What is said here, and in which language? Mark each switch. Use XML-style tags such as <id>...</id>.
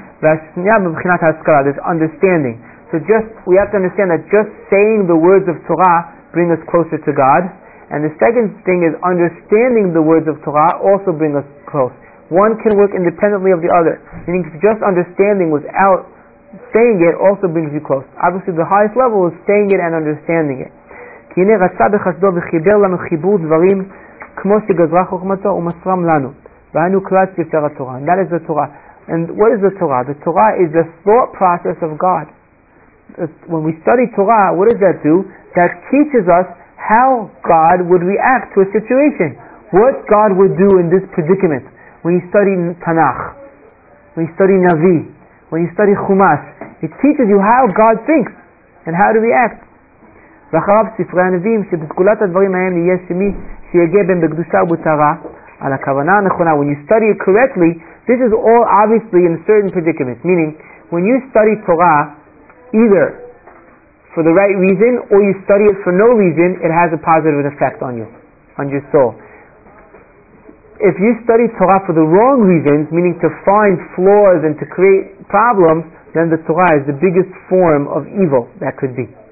<he>Ve'ashnia b'bchinat ha'askara.</he> <en>There's understanding. So just, we have to understand that just saying the words of Torah bring us closer to God. And the second thing is understanding the words of Torah also bring us close. One can work independently of the other. Meaning just understanding without saying it also brings you close. Obviously the highest level is saying it and understanding it.</en> <he>כי הנה רצה בחסדו וחיבר לנו חיבור דברים כמו שגזרה חוכמתו ומסרם לנו. והיינו קלט יותר התורה.</he> <en>And that is the Torah. And what is the Torah? The Torah is the thought process of God. When we study Torah, what does that do? That teaches us how God would react to a situation. What God would do in this predicament. When you study Tanakh, when you study Navi, when you study Chumash, it teaches you how God thinks and how to react.</en> <he>ואחריו ספרי הנביאים שבסגולת הדברים האלה יהיה שמי שיגיע בהם בקדושה ובטהרה על הכוונה הנכונה.</he> <en>When you study it correctly, this is all obviously in a certain predicament. Meaning, when you study Torah, either for the right reason or you study it for no reason, it has a positive effect on you, on your soul. If you study Torah for the wrong reasons, meaning to find flaws and to create problems, then the Torah is the biggest form of evil that could be.</en>